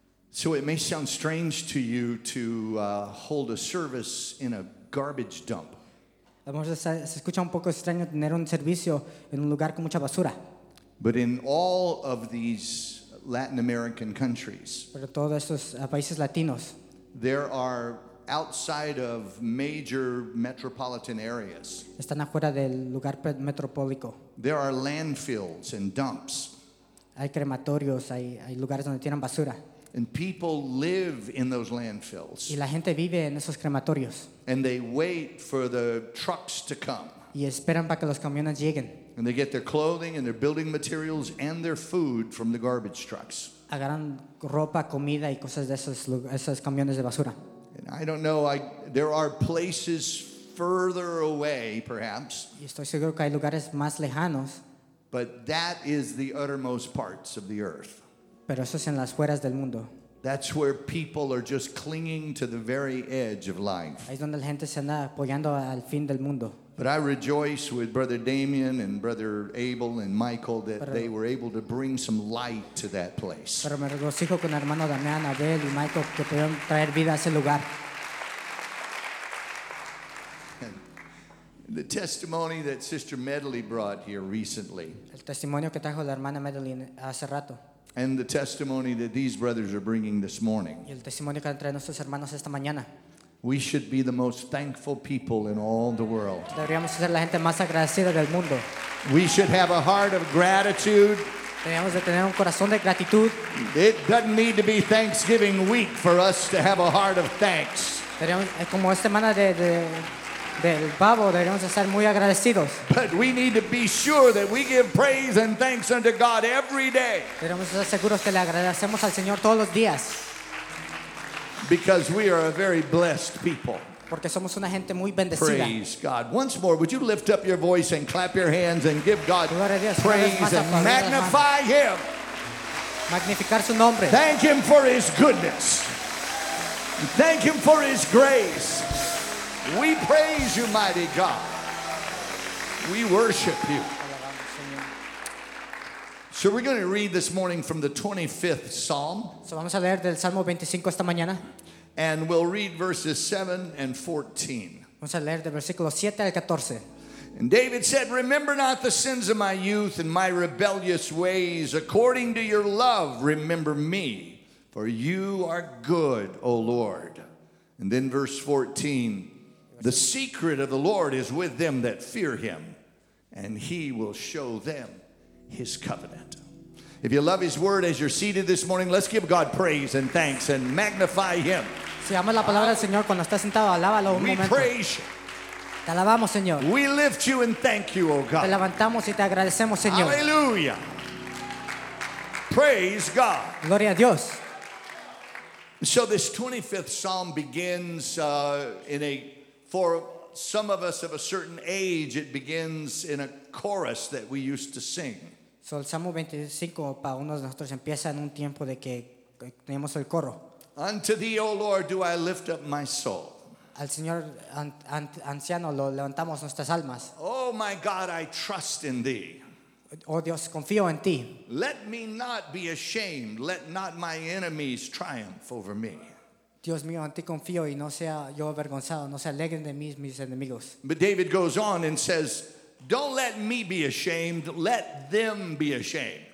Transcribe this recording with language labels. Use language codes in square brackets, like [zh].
[en] So it may sound strange to you to hold a service in a garbage dump. [es] A lo mejor se escucha un poco extraño tener un servicio en un lugar con mucha basura. [en] But in all of these Latin American countries, [es] pero todos estos países latinos, [en] there are outside of major metropolitan areas, [es] están afuera del lugar metropolitano, [en] there are landfills and dumps. [es] Hay crematorios, hay lugares donde tiran basura. [en] And people live in those landfills. [es] Y la gente vive en esos crematorios. [en] And they wait for the trucks to come. [es] Y esperan para que los camiones lleguen. [en] And they get their clothing and their building materials and their food from the garbage trucks. [es] Agarran ropa, comida y cosas de esos camiones de basura. [en] And I don't know, there are places further away, perhaps. [es] Y estoy seguro que hay lugares más lejanos. [en] But that is the uttermost parts of the earth. [es] Pero eso es en las fueras del mundo. [en] That's where people are just clinging to the very edge of life. [es] Ahí es donde la gente se anda apoyando al fin del mundo. [en] But I rejoice with Brother Damien and Brother Abel and Michael that they were able to bring some light to that place. [es] Pero me regocijo con hermano Damián, Abel y Michael que pudieron traer vida a ese lugar. [en] The testimony that Sister Medley brought here recently. [es] El testimonio que trajo la hermana Medley hace rato. [en] And the testimony that these brothers are bringing this morning. [es] Y el testimonio que han traído nuestros hermanos esta mañana. [en] We should be the most thankful people in all the world. [es] Deberíamos ser la gente más agradecida del mundo. [en] We should have a heart of gratitude. [es] Deberíamos de tener un corazón de gratitud. [en] It doesn't need to be Thanksgiving week for us to have a heart of thanks. [es] Deberíamos, como esta semana del pavo, deberíamos estar muy agradecidos. [en] But we need to be sure that we give praise and thanks unto God every day. [es] Deberíamos estar seguros que le agradecemos al Señor todos los días. [en] Because we are a very blessed people. [es] Porque somos una gente muy bendecida. [en] Praise God. Once more, would you lift up your voice and clap your hands and give God [es] Dios, [en] praise and magnify Him. [es] Magnificar su nombre. [en] Thank Him for His goodness. Thank Him for His grace. We praise you, mighty God. We worship you. So we're going to read this morning from the 25th Psalm. [es] So vamos a leer del Salmo 25 esta mañana. [en] And we'll read verses 7 and 14. [es] Vamos a leer del versículo 7 al 14. [en] And David said, "Remember not the sins of my youth and my rebellious ways. According to your love, remember me, for you are good, O Lord." And then verse 14, "The secret of the Lord is with them that fear him, and he will show them His covenant." If you love His word as you're seated this morning, let's give God praise and thanks and magnify Him. [es] Si amas la palabra del Señor cuando estás sentado, alábalo un momento. [en] We praise you. [es] Te alabamos, Señor. [en] We lift you and thank you, O God. [es] Te levantamos y te agradecemos, Señor. [en] Hallelujah. Praise God. [es] Gloria a Dios. [en] So this 25th Psalm begins some of us of a certain age, it begins in a chorus that we used to sing. [es] So el Salmo 25 para unos de nosotros empieza en un tiempo de que tenemos el coro. [en] Unto thee, O Lord, do I lift up my soul. [es] Al Señor anciano lo levantamos nuestras almas. [en] Oh my God, I trust in thee. [es] Oh Dios, confío en ti. [en] Let me not be ashamed, let not my enemies triumph over me. [es] Dios mío, en ti confío y no sea yo avergonzado, no se alegren de mí mis enemigos. [en] But David goes on and says, "Don't let me be ashamed, let them be ashamed."